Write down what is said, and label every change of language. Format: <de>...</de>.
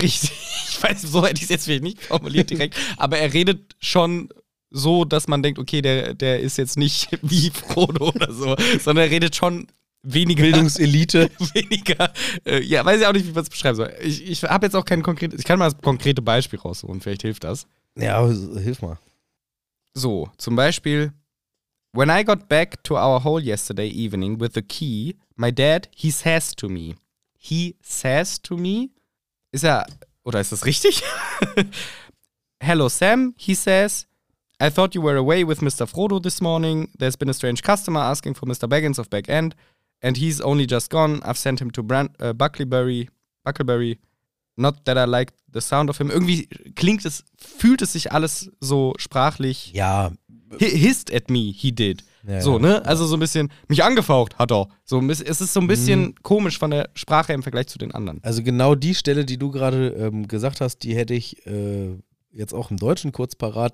<de>Richtig, ich weiß, so hätte ich es jetzt vielleicht nicht formuliert direkt, aber er redet schon so, dass man denkt, okay, der ist jetzt nicht wie Frodo oder so, sondern er redet schon weniger. Bildungselite. Ja, weiß ich auch nicht, wie man es beschreiben soll. Ich habe jetzt auch kein konkretes, ich kann mal das konkrete Beispiel raussuchen, vielleicht hilft das. Ja, hilf mal. So, zum Beispiel,</de> <en>when I got back to our hole yesterday evening with the key, my dad, he says to me. He says to me?</en> <de>Ist er, oder ist das richtig?</de> <en>Hello Sam, he says, I thought you were away with Mr. Frodo this morning. There's been a strange customer asking for Mr. Baggins of Back End, and he's only just gone. I've sent him to Bucklebury. Not that I like the sound of him.</en> <de>Irgendwie klingt es, fühlt es sich alles so sprachlich. Ja.</de> <en>Hissed at me, he did.</en> <de>Ja, so, ne? Ja. Also so ein bisschen, mich angefaucht hat er. So, es ist so ein bisschen komisch von der Sprache im Vergleich zu den anderen. Also genau die Stelle, die du gerade gesagt hast, die hätte ich jetzt auch im Deutschen kurz parat.</de>